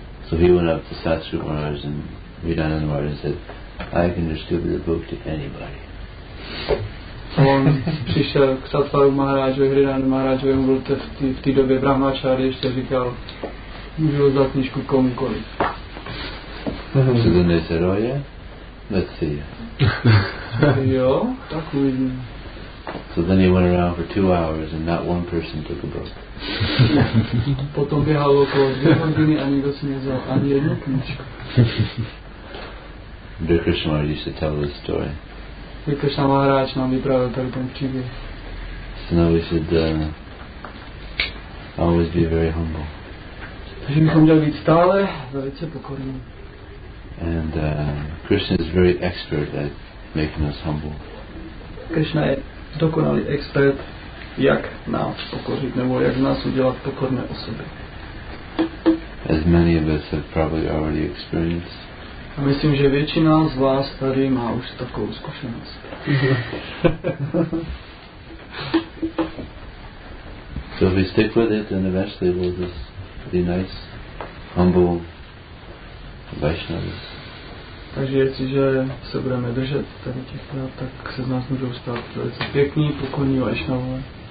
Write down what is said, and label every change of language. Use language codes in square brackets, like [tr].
[en] So he went up to Satsri Maharaj and Vidyananda Maharaj and said, I can distribute the book to anybody. [cs] On přišel k Satsvaru Maharajovi, Hridanu Maharajovi, byl v té době Brahmacharya, ještě říkal, můžu rozdat knížku komukoliv. [en] So then they said, oh yeah, let's see. [cs] Jo, tak uvidíme. [en] So then he went around for 2 hours and not one person took a book. [cs] Potom běhal okolo 2 hodiny a nikdo si nevzal ani jednu knížku. [en] Dr. Krishna Maharaj used to tell this story. [cs] Dr. Krishna Maharaj nám vyprávěl tady ten příběh. [en] So now we should always be very humble. [cs] Takže bychom měli být stále velice pokorní. [en] And Krishna is very expert at making us humble. [cs] Krishna je dokonalý expert, jak nás pokořit, nebo jak nás udělat pokorné osoby. [en] As many of us have probably already experienced. [cs] A myslím, že většina z vás tady má už takovou zkušenost. [en] So if we stick with it, then eventually we'll just be nice, humble Vaishnavas. [cs] Takže jestliže se budeme držet tady těch práv, tak se z nás můžou stát velice pěkný, pokojný Vaishnavové.